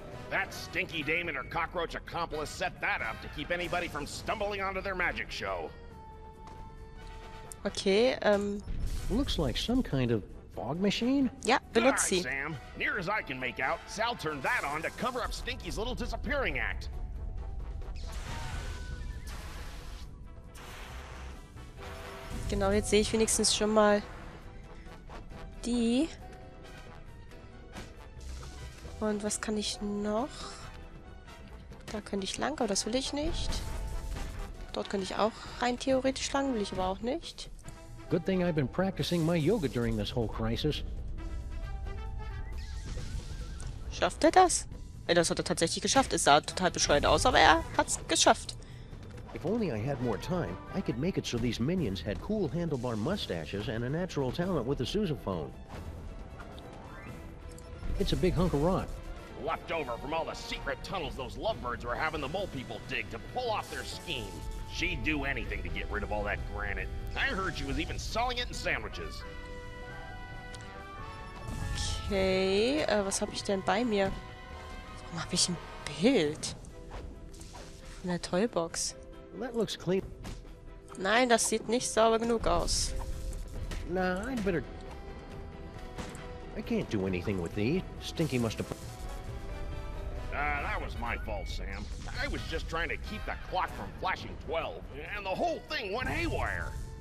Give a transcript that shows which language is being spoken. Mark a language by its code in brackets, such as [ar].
[en] That stinky dame and her cockroach accomplice set that up to keep anybody from stumbling onto their magic show. Okay, Looks like some kind of fog machine? [de] Yeah, benutze sie. [en] Good eye, Sam. Near as I can make out, Sal turned that on to cover up Stinky's little disappearing act. [de] Genau, jetzt sehe ich wenigstens schon mal die. Und was kann ich noch? Da könnte ich lang, aber das will ich nicht. Dort könnte ich auch rein theoretisch lang, will ich aber auch nicht. [en] Good thing I've been practicing my yoga during this whole crisis. [de] Schafft er das? Das hat er tatsächlich geschafft. Es sah total bescheuert aus, aber er hat's geschafft. [en] If only I had more time, I could make it so these minions had cool handlebar mustaches and a natural talent with the sousaphone. It's a big hunk of rock. Left over from all the secret tunnels those lovebirds were having the mole people dig to pull off their scheme. She'd do anything to get rid of all that granite. I heard she was even selling it in sandwiches. [de] Okay, was hab ich denn bei mir? Warum hab ich ein Bild? Von der Toybox. [en] That looks clean. [de] Nein, das sieht nicht sauber genug aus. [en] Nah, I'd better... I can't do anything with these. Stinky must have... That was my fault, Sam. I was just trying to keep the clock from flashing 12, and the whole thing went haywire.